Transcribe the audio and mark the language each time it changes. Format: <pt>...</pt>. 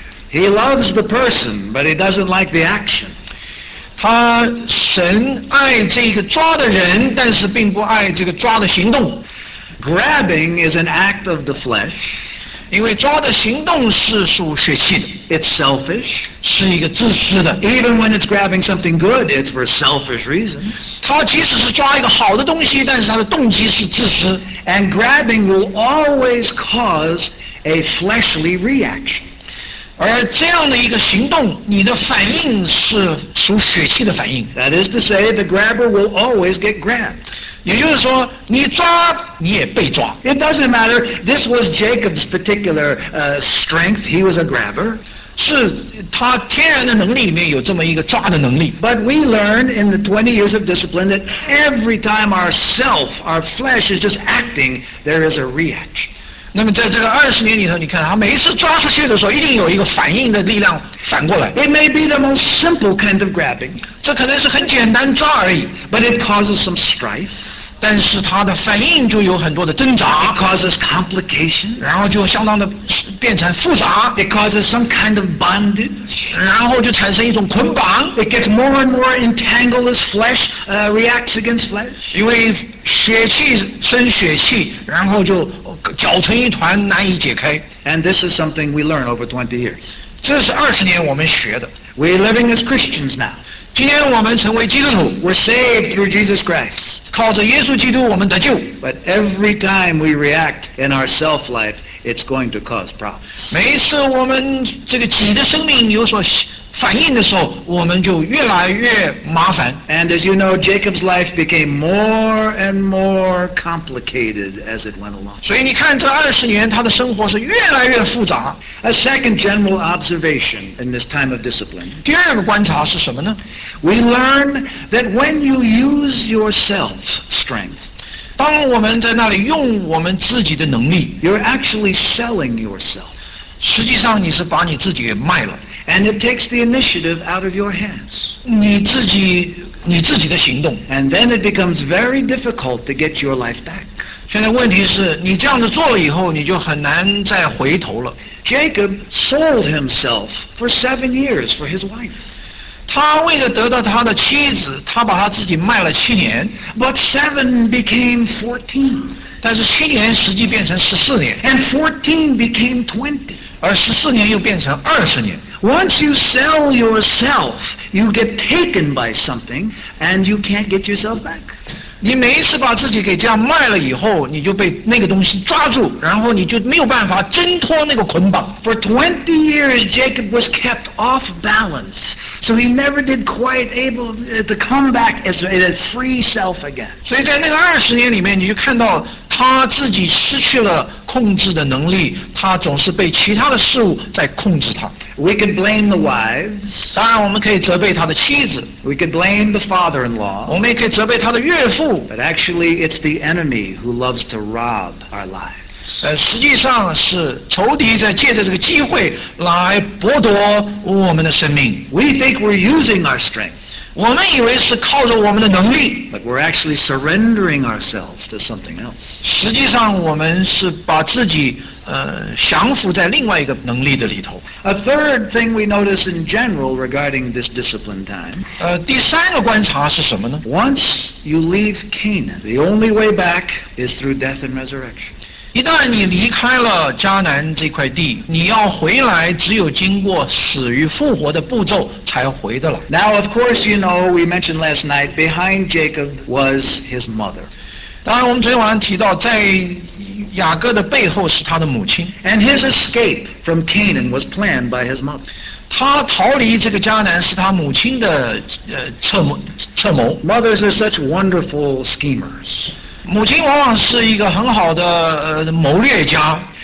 <en>He loves the person, but he doesn't like the action.</en> <zh>他神爱这个抓的人，但是并不爱这个抓的行动。</zh> <en>Grabbing is an act of the flesh.</en> <zh>因为抓的行动是属血气的。</zh> <en>It's selfish.</en> <zh>是一个自私的。</zh> <en>Even when it's grabbing something good, it's for selfish reasons.</en> <zh>他即使是抓一个好的东西，但是他的动机是自私。</zh> <en>And grabbing will always cause a fleshly reaction.</en> <zh>而这样的一个行动，你的反应是属血气的反应。</zh> <en>That is to say, the grabber will always get grabbed.</en> <zh>也就是说，你抓你也被抓。</zh> <en>It doesn't matter. This was Jacob's particular strength. He was a grabber.</en> <zh>是他天然的能力里面有这么一个抓的能力。</zh> <en>But we learn in the 20 years of discipline that every time our self, our flesh is just acting, there is a reaction.</en> <zh>那么在这个二十年里头，你看他每一次抓出去的时候，一定有一个反应的力量反过来。</zh> <en>It may be the most simple kind of grabbing.</en> <zh>这可能是很简单抓而已。</zh> <en>But it causes some strife.</en> <zh>但是他的反应就有很多的挣扎。</zh> <en>It causes complication.</en> <zh>然后就相当的变成复杂。</zh> <en>It causes some kind of bondage.</en> <zh>然后就产生一种捆绑。</zh> <en>It gets more and more entangled as flesh, reacts against flesh.</en> <zh>因为血气生血气，然后就搅成一团，难以解开。</zh> <en>And this is something we learn over 20 years.</en> <zh>这是二十年我们学的。</zh> <en>We're living as Christians now.</en> <zh>今天我们成为基督徒。</zh> <en>We're saved through Jesus Christ.</en> <zh>靠着耶稣基督我们得救。</zh> <en>But every time we react in our self-life, it's going to cause problems.</en> <zh>每一次我们这个己的生命有所反应的时候，我们就越来越麻烦。</zh> <en>And as you know, Jacob's life became more and more complicated as it went along.</en> <zh>所以你看这二十年他的生活是越来越复杂。</zh> <en>A second general observation in this time of discipline.</en> <zh>第二个观察是什么呢？</zh> <en>We learn that when you use yourself strength,</en> <zh>当我们在那里用我们自己的能力，</zh> <en>you're actually selling yourself.</en> <zh>实际上你是把你自己给卖了。</zh> <en>And it takes the initiative out of your hands.</en> <zh>你自己的行动。</zh> <en>And then it becomes very difficult to get your life back.</en> <zh>现在问题是，你这样子做了以后，你就很难再回头了。</zh> <en>Jacob sold himself for 7 years for his wife.</en> <zh>他为了得到他的妻子，他把他自己卖了七年。</zh> <en>But 7 became 14.</en> <zh>但是七年实际变成十四年。</zh> <en>And 14 became 20.</en> <zh>而十四年又变成二十年。</zh> <en>Once you sell yourself, you get taken by something, and you can't get yourself back.</en> <zh>你每一次把自己给这样卖了以后，你就被那个东西抓住，然后你就没有办法挣脱那个捆绑。</zh> <en>For 20 years, Jacob was kept off balance, so he never did quite able to come back as a free self again.</en> <zh>所以在那个二十年里面，你就看到他自己失去了控制的能力，他总是被其他的事物在控制他。</zh> <en>We can blame the wives.</en> <zh>当然我们可以责备他的妻子。</zh> <en>We can blame the father-in-law.</en> <zh>我们也可以责备他的岳父。</zh> <en>But actually, it's the enemy who loves to rob our lives.</en> <zh>实际上是仇敌在借着这个机会来剥夺我们的生命。</zh> <en>We think we're using our strength.</en> <zh>我们以为是靠着我们的能力，</zh> <en>but we're actually surrendering ourselves to something else.</en> <zh>实际上我们是把自己降服在另外一个能力的里头。</zh> <en>A third thing we notice in general regarding this discipline time.</en> <zh>第三个观察是什么呢？</zh> <en>Once you leave Canaan, the only way back is through death and resurrection.</en> <zh>一旦你离开了迦南这块地，你要回来只有经过死与复活的步骤才回得了。</zh> <en>Now of course you know, we mentioned last night, behind Jacob was his mother.</en> <zh>当然我们昨天晚上提到在雅各的背后是他的母亲。</zh> <en>And his escape from Canaan was planned by his mother.</en> <zh>他逃离这个迦南是他母亲的策谋。</zh> <en>Mothers are such wonderful schemers.</en> <zh>母亲往往是一个很好的谋略家。</zh>